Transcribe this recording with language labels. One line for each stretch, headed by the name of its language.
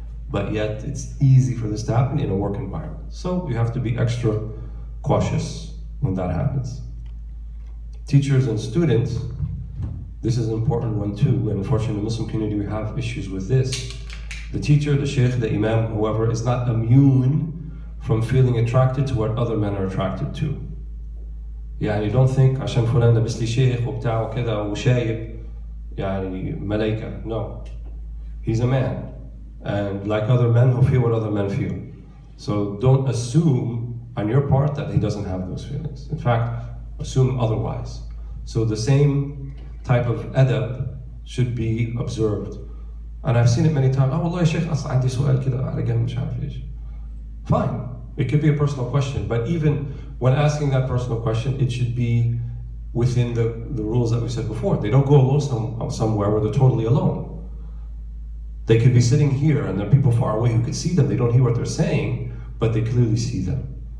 English: But yet it's easy for this to happen in a work environment. So you have to be extra cautious when that happens. Teachers and students, this is an important one too. And unfortunately, in the Muslim community, we have issues with this. The teacher, the sheikh, the imam, whoever, is not immune from feeling attracted to what other men are attracted to. Yeah, you don't think,
Arabic: عشان فلان ده مثلي شيخ وبتاع وكذا وشايب, يعني ملايكة.
English: No. He's a man. And like other men, he'll feel what other men feel. So don't assume on your part that he doesn't have those feelings. In fact, assume otherwise. So the same type of adab should be observed. And I've seen it many times. Oh,
Arabic: والله يا شيخ أصلا عندي سؤال كده على جنب مش عارف ليش.
English: Fine. It could be a personal question, but even when asking that personal question, it should be within the rules that we said before. They don't go alone somewhere where they're totally alone. They could be sitting here and there are people far away who can see them. They don't hear what they're saying, but they clearly see them.